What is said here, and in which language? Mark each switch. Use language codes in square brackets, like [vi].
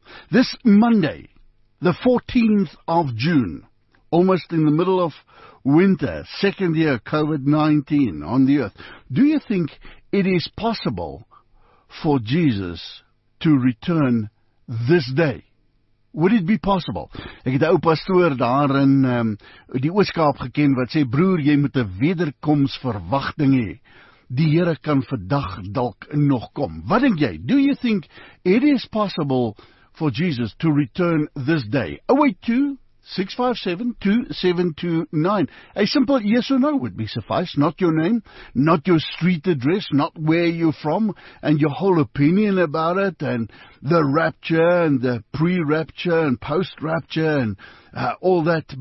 [en] This Monday, the 14th of June, almost in the middle of winter, second year COVID-19 on the earth, do you think it is possible for Jesus to return this day? Would it be possible? [af] Ek het 'n ou pastoor daar in die Oos-Kaap geken wat sê, broer, jy moet 'n wederkomsverwagting hê. Die Here kan vandag dalk nog kom. Wat dink jy? [en] Do you think it is possible for Jesus to return this day? 082-657-2729. A simple yes or no would be suffice. Not your name, not your street address, not where you're from, and your whole opinion about it, and the rapture, and the pre-rapture, and post-rapture, and all that.